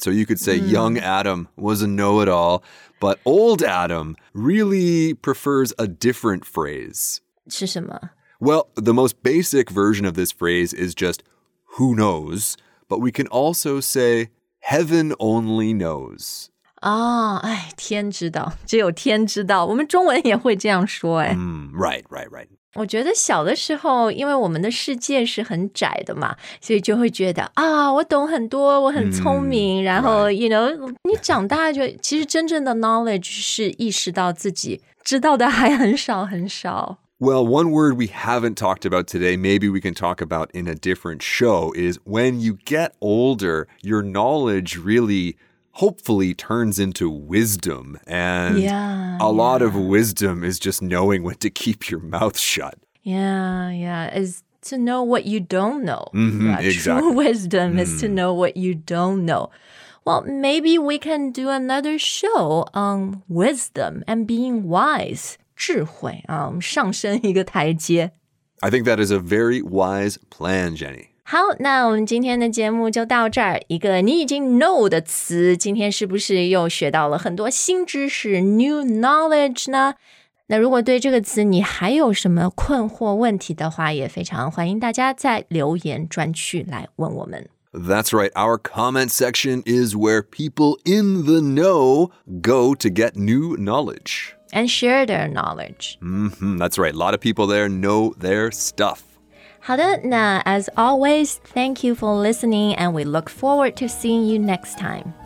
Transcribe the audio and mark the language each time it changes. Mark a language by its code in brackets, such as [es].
[en] So you could say young Adam was a know-it-all, but old Adam really prefers a different phrase. [zh] 是什么? [en] Well, the most basic version of this phrase is just who knows, but we can also say heaven only knows. [zh] 天知道，只有天知道。我们中文也会这样说，哎。 [en] Right, right, right. [zh] 我觉得小的时候，因为我们的世界是很窄的嘛，所以就会觉得啊，我懂很多，我很聪明。然后 [en] you know, [zh] 你长大就其实真正的 knowledge 是意识到自己知道的还很少很少。 [en] Well, one word we haven't talked about today, maybe we can talk about in a different show, is when you get older, your knowledge really. Hopefully turns into wisdom, and lot of wisdom is just knowing when to keep your mouth shut. Is to know what you don't know. Exactly. True wisdom is to know what you don't know. Well, maybe we can do another show on wisdom and being wise. [zh] 智慧啊，我们上升一个台阶。 [en] I think that is a very wise plan, Jenny. [zh] 好，那我们今天的节目就到这儿。一个你已经 know 的词，今天是不是又学到了很多新知识 ,new knowledge 呢？那如果对这个词你还有什么困惑问题的话，也非常欢迎大家在留言专区来问我们。 [en] That's right, our comment section is where people in the know go to get new knowledge. And share their knowledge. That's right, a lot of people there know their stuff. [zh] 好的，那 [en] as always, thank you for listening, and we look forward to seeing you next time.